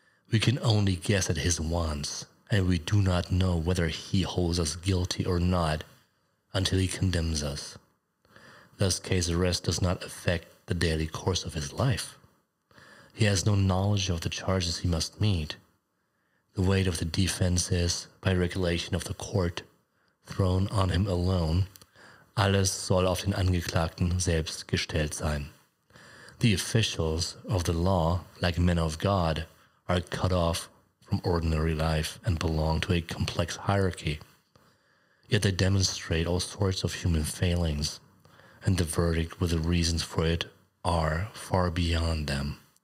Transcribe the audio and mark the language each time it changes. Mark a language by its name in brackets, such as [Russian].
[English] We can only guess at his wants, and we do not know whether he holds us guilty or not until he condemns us. Thus, K's arrest does not affect the daily course of his life. He has no knowledge of the charges he must meet. The weight of the defense is, by regulation of the court, thrown on him alone. [German] Alles soll auf den Angeklagten selbst gestellt sein. [English] The officials of the law, like men of God, are cut off from ordinary life and belong to a complex hierarchy. Yet they demonstrate all sorts of human failings, and the verdict with the reasons for it are far beyond them.